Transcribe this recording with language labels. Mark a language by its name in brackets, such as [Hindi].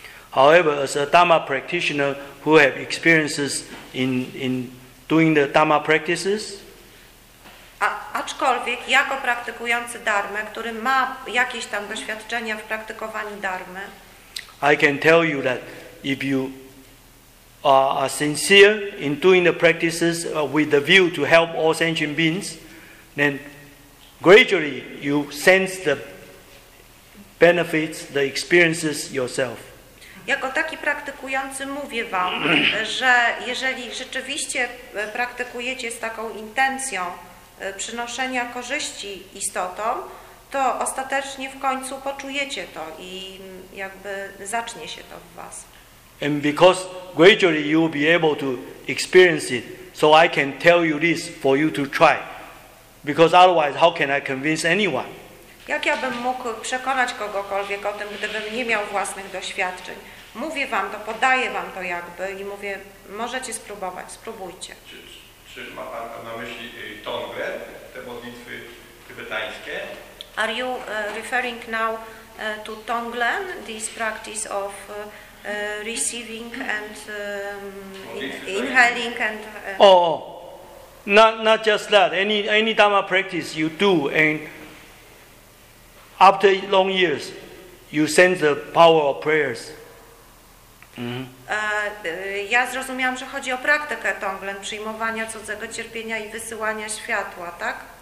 [English] However, as a Dhamma practitioner who have experiences in doing the Dhamma practices, [Polish] aczkolwiek jako praktykujący Dharmę, który ma jakieś tam doświadczenia w praktykowaniu Dharmy, [English] I can tell you that if you are sincere in doing the practices with the view to help all sentient beings, then gradually you sense the benefits, the experiences yourself. [Polish] Jako taki praktykujący mówię wam, że jeżeli rzeczywiście praktykujecie z taką intencją przynoszenia korzyści istotom, to ostatecznie w końcu poczujecie to i jakby zacznie się to w was. [English] And because gradually you will be able to experience it, so I can tell you this for you to try. Because otherwise how can I convince anyone? [Polish] Jak ja bym mógł przekonać kogokolwiek o tym, gdybym nie miał własnych doświadczeń? Mówię wam to, podaję wam to jakby i mówię, możecie spróbować, spróbujcie. Czy ma pan na myśli Tongwe, te modlitwy tybetańskie? [English] Are you referring now to Tonglen, this practice of receiving and inhaling and... Oh, not just that, any Dhamma practice you do and after long years, you sense the power of prayers. Mm-hmm. [Polish] Ja zrozumiałam, że chodzi o praktykę Tonglen, przyjmowania cudzego cierpienia i wysyłania światła, tak?